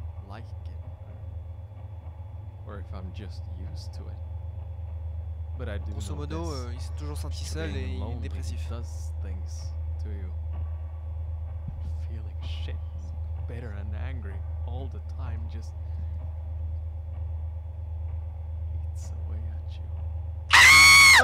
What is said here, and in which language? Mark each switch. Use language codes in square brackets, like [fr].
[en] Like it, or if I'm just used to it. But I do. [fr] Grosso modo, il s'est toujours senti seul et dépressif. [en] Does things to you. Feeling shit, bitter and angry all the time, just eats away at you.